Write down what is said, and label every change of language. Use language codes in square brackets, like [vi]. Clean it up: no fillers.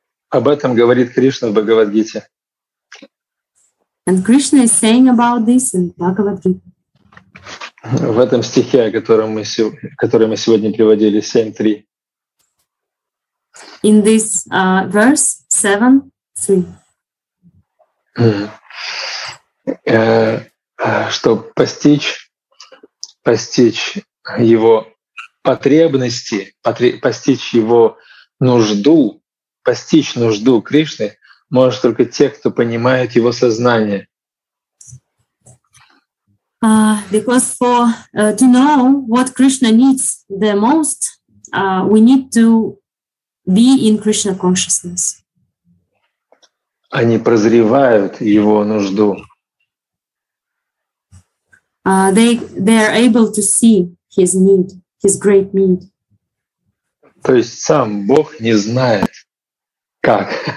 [ru] Об этом говорит Кришна в Бхагавад-гите. [en] And Krishna is saying about this in Bhagavad-gita. [ru] В этом стихе, который мы сегодня приводили, 7.3. [en] In this verse 7:3. [ru] Что постичь его потребности, постичь его нужду, постичь нужду Кришны может только те, кто понимает его сознание. [en] Because for to know what Krishna needs the most, we need to be in Krishna consciousness. [ru] Они прозревают его нужду. [en] They are able to see his need, his great need. [ru] То есть сам Бог не знает, как.